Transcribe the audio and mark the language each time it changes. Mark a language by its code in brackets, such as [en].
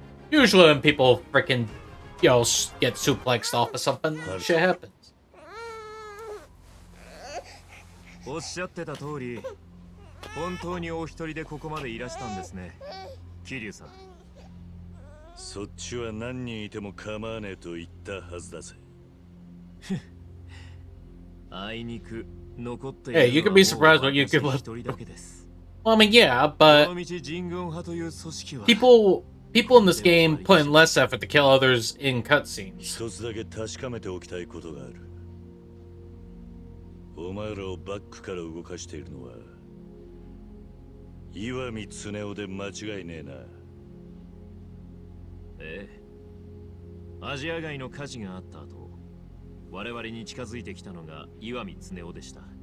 [en] Usually when people freaking, you know, get suplexed off of something, shit happens. [ja] Kiryu-san. そっちは何人いても構わねえと言ったはずだぜ。あいにく残っているのはもう私一人だけです。 [en] Well, I mean, yeah, but people in this game put in less effort to kill others in cutscenes. [ja] 一つだけ確かめておきたいことがある。お前らをバックから動かしているのは岩見つねおで間違いねえな。ええ、アジア街の火事があった後、我々に近づいてきたのが岩見つねおでした。